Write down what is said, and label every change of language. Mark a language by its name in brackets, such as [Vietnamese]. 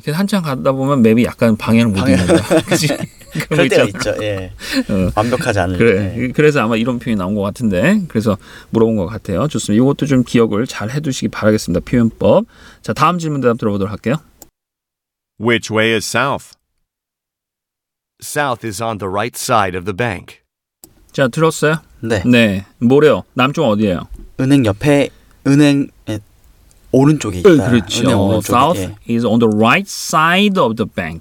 [Korean] 그래서 한참 가다 보면 맵이 약간 방향을 못 잃는다. 그렇지. 그럴 때가 있죠. 예. 완벽하지 않을 때. 그래. 네. 그래서 아마 이런 표현이 나온 것 같은데. 그래서 물어본 것 같아요. 좋습니다. 이것도 좀 기억을 잘 해두시기 바라겠습니다. 표현법. 자 다음 질문 대답 들어보도록 할게요. [English] Which way is south? South is on the right side of the bank. [Korean] 자 들었어요? 네. 네. 뭐래요? 남쪽 어디예요? 은행 옆에 은행 오른쪽에 있다. 그렇죠. South 예. [English] is on the right side of the bank.